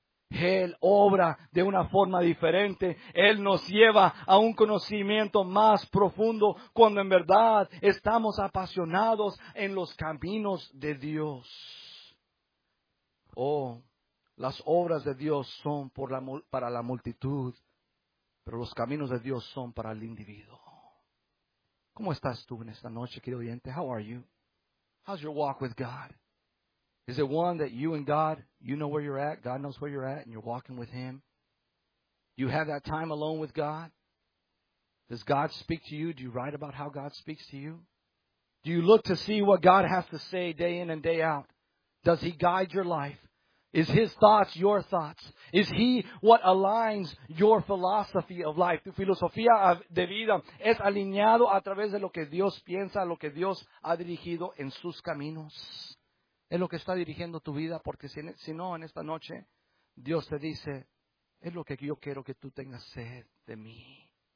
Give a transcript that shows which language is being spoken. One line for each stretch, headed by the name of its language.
Spanish: Él obra de una forma diferente. Él nos lleva a un conocimiento más profundo cuando en verdad estamos apasionados en los caminos de Dios. Oh, las obras de Dios son para la multitud, pero los caminos de Dios son para el individuo. ¿Cómo estás tú en esta noche, querido oyente?
English: How are you? How's your walk with God? Is it one that you and God, you know where you're at, God knows where you're at, and you're walking with Him? You have that time alone with God? Does God speak to you? Do you write about how God speaks to you? Do you look to see what God has to say day in and day out? Does He guide your life? Is His thoughts your thoughts? Is He what aligns your philosophy of life?
Spanish: Tu filosofía de vida es alineado a través de lo que Dios piensa, lo que Dios ha dirigido en sus caminos. Es lo que está dirigiendo tu vida, porque si no, en esta noche, Dios te dice, es lo que yo quiero que tú tengas sed de mí.